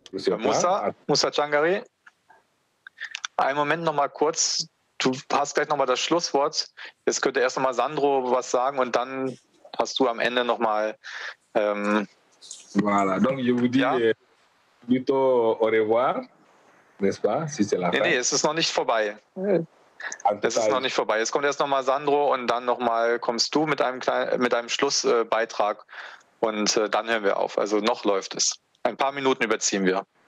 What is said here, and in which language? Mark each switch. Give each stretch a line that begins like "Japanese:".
German: Musa Changari, einen Moment noch mal kurz. Du hast gleich noch mal das Schlusswort. Jetzt könnte erst noch mal Sandro was sagen und dann hast du am Ende noch mal.
French: Voilà, donc je vous dis ja. Plutôt au revoir, n'est-ce pas? Si c'est la fin.
German: Nee, es ist noch nicht vorbei. Es ist noch nicht vorbei. Jetzt kommt erst noch mal Sandro und dann noch mal kommst du mit einem Schlussbeitrag und dann hören wir auf. Also noch läuft es. Ein paar Minuten überziehen wir.